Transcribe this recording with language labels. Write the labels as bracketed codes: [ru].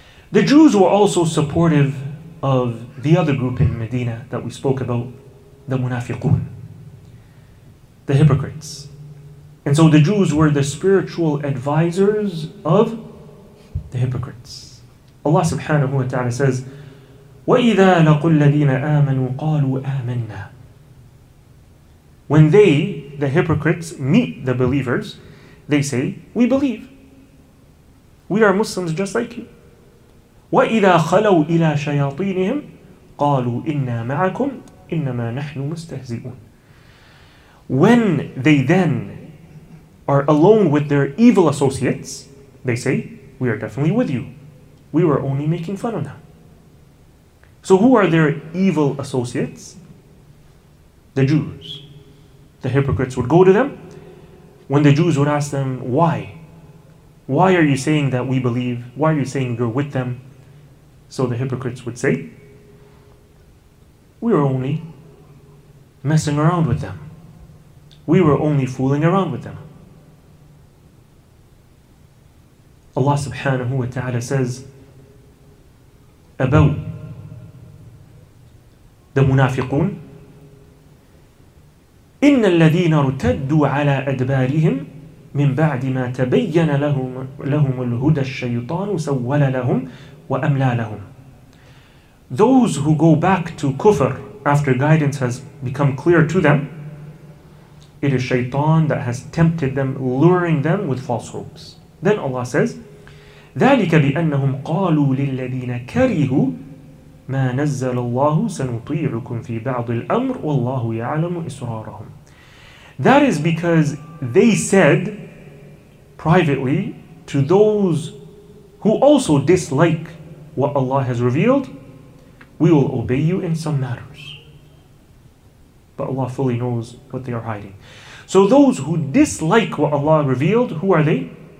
[en] The Jews were also supportive of the other group in Medina that we spoke about, the Munafiqun, the hypocrites. And so the Jews were the spiritual advisors of the hypocrites. Allah subhanahu wa ta'ala says, [ar] وَإِذَا لَقُوا الَّذِينَ آمَنُوا قَالُوا آمَنَّا. [en] When they, the hypocrites, meet the believers, they say, we believe. We are Muslims just like you. [ar] وَإِذَا خَلَوْا إِلَىٰ شَيَاطِينِهِمْ قَالُوا إِنَّا مَعَكُمْ إِنَّمَا نَحْنُ مُسْتَهْزِئُونَ. [en] When they then are alone with their evil associates, they say, we are definitely with you. We were only making fun of them. So who are their evil associates? The Jews. The hypocrites would go to them. When the Jews would ask them, why? Why are you saying that we believe? Why are you saying you're with them? So the hypocrites would say, we were only messing around with them. We were only fooling around with them. Allah subhanahu wa ta'ala says about the munafiqun, [ar] إِنَّ الَّذِينَ ارْتَدُّوا عَلَىٰ أَدْبَارِهِمْ مِنْ بَعْدِ مَا تَبَيَّنَ لَهُمُ الْهُدَى الشَّيْطَانُ سَوَّلَ لَهُمْ وَأَمْلَى لَهُمْ. [en] Those who go back to kufr after guidance has become clear to them, it is shaytan that has tempted them, luring them with false hopes. Then Allah says, [ar] ذَلِكَ بِأَنَّهُمْ قَالُوا لِلَّذِينَ كَرِهُوا مَا نَزَّلَ اللَّهُ سَنُطِيعُكُمْ فِي بَعْضِ الْأَمْرِ وَاللَّهُ يَعْلَمُ إِسْرَارَهُمْ. [en] That is because they said privately to those who also dislike what Allah has revealed, we will obey you in some matters. But Allah fully knows what they are hiding. So those who dislike what Allah revealed, who are they?